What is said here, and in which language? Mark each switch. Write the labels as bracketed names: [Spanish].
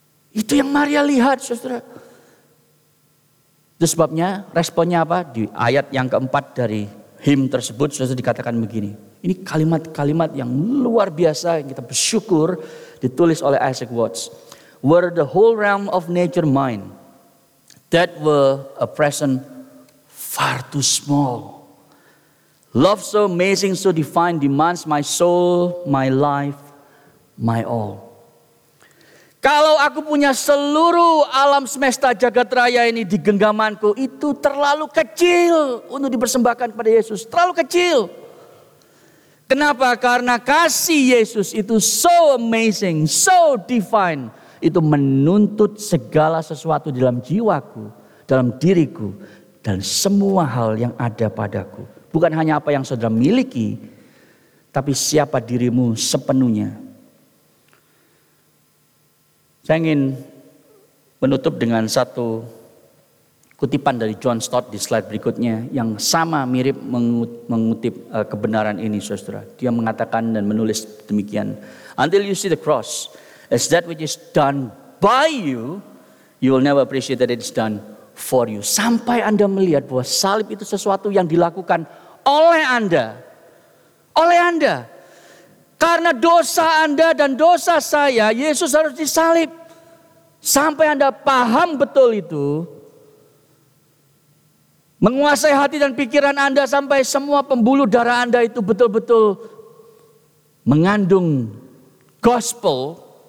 [Indonesian] Itu yang Maria lihat, saudara. Itu sebabnya responnya apa? Di ayat yang keempat dari hymn tersebut sudah dikatakan begini. Ini kalimat-kalimat yang luar biasa yang kita bersyukur ditulis oleh Isaac Watts. [English] "Were the whole realm of nature mine, that were a present far too small. Love so amazing, so divine, demands my soul, my life, my all." [Indonesian] Kalau aku punya seluruh alam semesta jagat raya ini di genggamanku, itu terlalu kecil untuk dipersembahkan kepada Yesus. Terlalu kecil. Kenapa? Karena kasih Yesus itu so amazing, so divine. Itu menuntut segala sesuatu dalam jiwaku, dalam diriku, dan semua hal yang ada padaku. Bukan hanya apa yang saudara miliki, tapi siapa dirimu sepenuhnya. Saya ingin menutup dengan satu kutipan dari John Stott di slide berikutnya yang sama mirip mengutip kebenaran ini, saudara. Dia mengatakan dan menulis demikian. [English] "Until you see the cross as that which is done by you, you will never appreciate that it's done for you." [Indonesian] Sampai Anda melihat bahwa salib itu sesuatu yang dilakukan oleh Anda. Oleh Anda. Karena dosa Anda dan dosa saya, Yesus harus disalib. Sampai Anda paham betul itu, menguasai hati dan pikiran Anda sampai semua pembuluh darah Anda itu betul-betul mengandung gospel.